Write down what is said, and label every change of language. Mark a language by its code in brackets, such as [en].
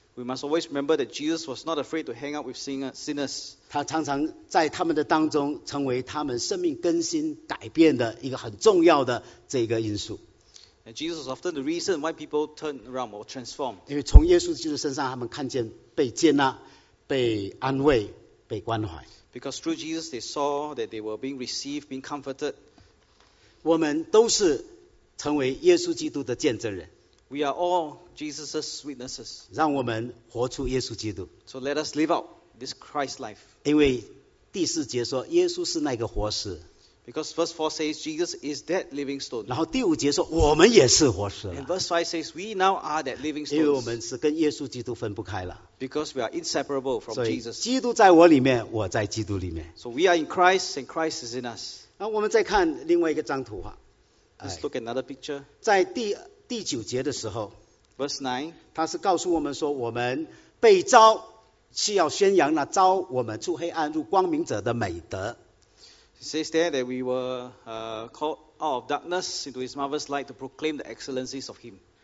[en] We must always remember that Jesus was not afraid to hang out with sinners. [zh] 他常常在他们的当中成为他们生命更新改变的一个很重要的这个因素。 [en] And Jesus is often the reason why people turn around or transform. [zh] 因为从耶稣基督身上，他们看见被接纳、被安慰、被关怀。 [en] Because through Jesus, they saw that they were being received, being comforted. [zh] 我们都是成为耶稣基督的见证人。 [en] We are all Jesus' witnesses. [zh] 让我们活出耶稣基督。So [en] let us live out this Christ life. [zh] 因为第四节说，耶稣是那个活石。 [en] Because verse 4 says Jesus is that living stone. [zh] 然后第五节说我们也是活石。 [en] And verse 5 says we now are that living stone. [zh] 因为我们是跟耶稣基督分不开了。 [en] Because we are inseparable from Jesus. [zh] 基督在我里面，我在基督里面。 [en] So we are in Christ and Christ is in us. [zh] 那我们再看另外一个张图画。 [en] Let's look at another picture. [zh] 在第九节的时候。 [en] Verse 9. [zh] 他是告诉我们说我们被召，是要宣扬那召我们出黑暗入光明者的美德。 [en] It says there that we were called out of darkness into His marvelous light to proclaim the excellencies of Him.